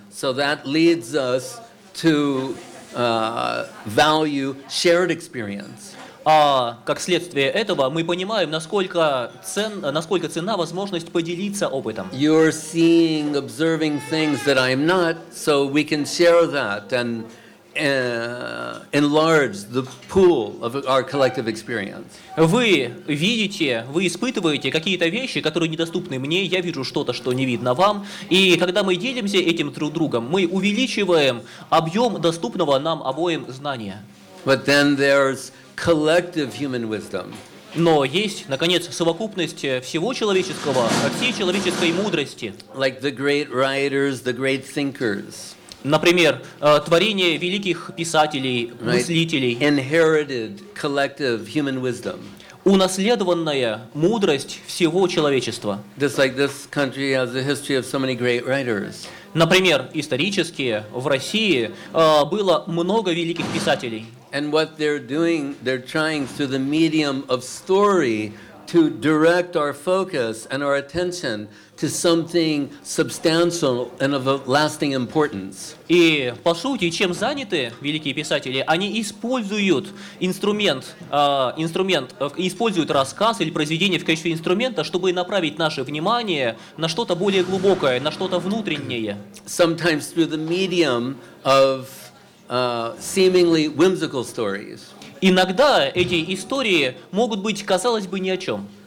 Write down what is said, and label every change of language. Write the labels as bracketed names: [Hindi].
[English] So that leads us to value shared experience. [Russian] А как следствие этого, мы понимаем, насколько ценна возможность поделиться опытом. [English] You're seeing, observing things that I'm not, so we can share that and enlarge the pool of our collective experience. [Russian] Вы видите, вы испытываете какие-то вещи, которые недоступны мне, я вижу что-то, что не видно вам. И когда мы делимся этим друг с другом, мы увеличиваем объем доступного нам обоим знания. [English] But then there's collective human wisdom. [Russian] Но есть, наконец, совокупность всего человеческого, всей человеческой мудрости. [English] Like the great writers, the great thinkers. [Russian] Например, творение великих писателей, мыслителей. [English] Inherited collective human wisdom. [Russian] унаследованная мудрость всего человечества. [English] Just like this country has a history of so many great writers. [Russian] Например, исторически в России было много великих писателей. [English] And what they're doing, they're trying through the medium of story to direct our focus and our attention to something substantial and of a lasting importance. [Russian] И по сути, чем заняты великие писатели, они используют инструмент, используют рассказ или произведение в качестве инструмента, чтобы направить наше внимание на что-то более глубокое, на что-то внутреннее. [English] Sometimes through the medium of seemingly whimsical stories. [Russian] Иногда эти истории могут быть, казалось бы, ни о чем.